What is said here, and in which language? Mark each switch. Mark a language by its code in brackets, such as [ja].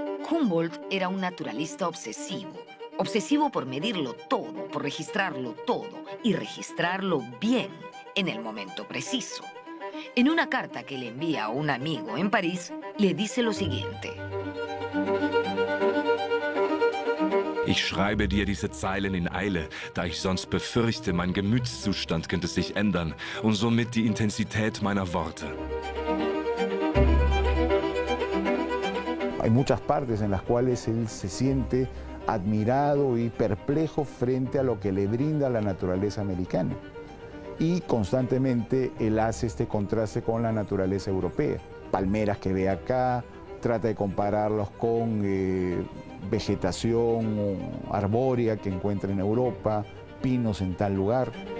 [es] Humboldt era un naturalista obsesivo. Obsesivo por medirlo todo, por registrarlo todo y registrarlo bien en el momento preciso. en una carta que le envía a un amigo en París, le dice lo siguiente. [de] Ich schreibe dir diese Zeilen in Eile, da ich sonst befürchte, mein Gemütszustand könnte sich ändern und somit die Intensität meiner Worte. [es] Hay muchas partes en las cuales él se siente admirado y perplejo frente a lo que le brinda la naturaleza americana. Y constantemente él hace este contraste con la naturaleza europea. Palmeras que ve acá, trata de compararlos con vegetación arbórea que encuentra en Europa, pinos en tal lugar.